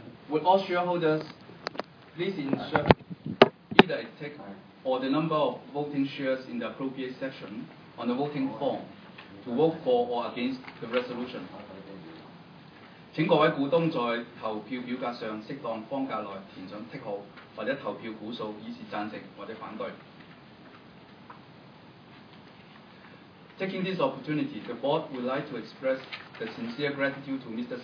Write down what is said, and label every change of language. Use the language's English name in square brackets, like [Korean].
[English] Would all shareholders please insert either a tick or the number of voting shares in the appropriate section on the voting form to vote for or against the resolution? [Cantonese] 請各位股東在投票表格上適當方格內填上 tick 號或者投票股數，以示贊成或者反對。 [English] Taking this opportunity, the board would like to express the sincere gratitude to Mr.